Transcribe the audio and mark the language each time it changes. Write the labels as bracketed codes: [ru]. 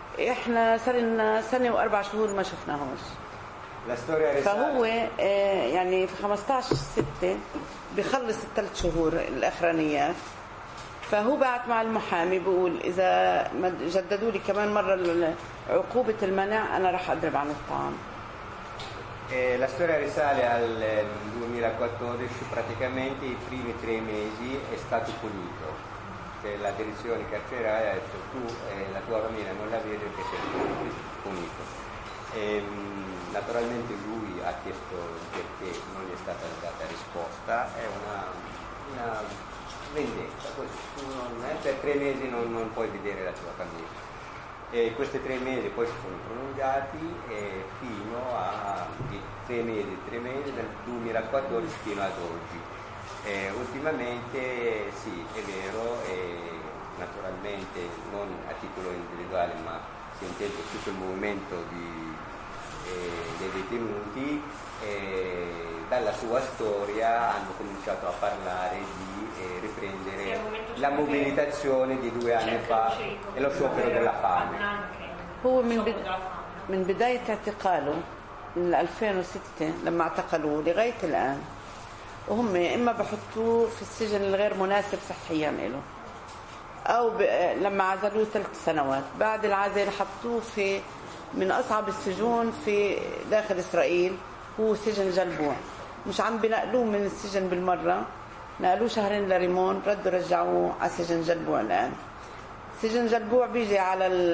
[ar] إحنا صار لنا 1 سنة و4 شهور ما شفناهوش. فهو يعني في 15/6 بيخلص 3 شهور الأخرانيات، فهو بعت مع المحامي بيقول إذا جددوا لي كمان مرة عقوبة المنع أنا راح أضرب عن الطعام. [it] La storia risale al 2014, praticamente i primi 3 mesi è stato punito. La direzione carceraria ha detto tu e la tua famiglia non la vede perché sei punito. Naturalmente lui ha chiesto perché non gli è stata data risposta, è una vendetta, per 3 mesi non puoi vedere la tua famiglia. E questi 3 mesi poi si sono prolungati fino a 3 mesi dal 2014 fino ad oggi. Ultimamente sì, è vero, naturalmente non a titolo individuale ma si intende tutto il movimento di dei detenuti, dalla sua storia hanno cominciato a parlare di riprendere la mobilitazione di due anni fa e lo sciopero della fame. [ar] من بداية اعتقاله من 2006 لما اعتقلوه لغاية الآن وهم إما بحطوه في السجن الغير مناسب صحيا له أو لما عزلوه 3 سنوات بعد العزل حطوه في من أصعب السجون في داخل إسرائيل هو سجن جلبوع مش عم بنقلوه من السجن بالمرة نقلوه شهرين لريمون ردوا رجعوه على سجن جلبوع الآن سجن جلبوع بيجي على